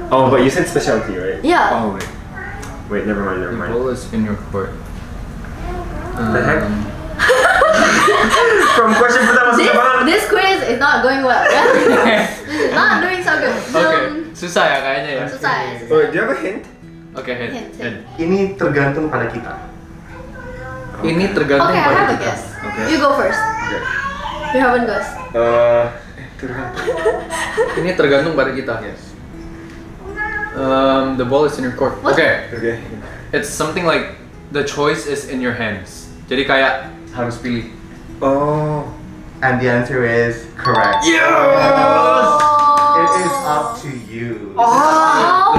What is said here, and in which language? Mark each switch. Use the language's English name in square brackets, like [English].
[English] Oh, but you said specialty, right? Yeah. Oh wait. Never mind. The ball is in your court. The heck? From question for that was this, this quiz is not going well. This is not doing so good. [Indonesian] Okay. Susah ya kayaknya ya. Susah. Yeah. [English] Oh, do you have a hint? Okay, hint. [Indonesian] Ini tergantung pada kita. Okay. Ini tergantung [English] okay, [Indonesian] pada kita. [English] Okay, I have a guess. Okay. You go first. Okay. You haven't guessed. [Indonesian] Tergantung. Ini tergantung pada kita. [English] Yes. The ball is in your court. What? Okay. Okay. It's something like the choice is in your hands. [Indonesian] Jadi kayak harus pilih. [English] Oh, and the answer is correct. Yes. Oh. It is up to you. Oh.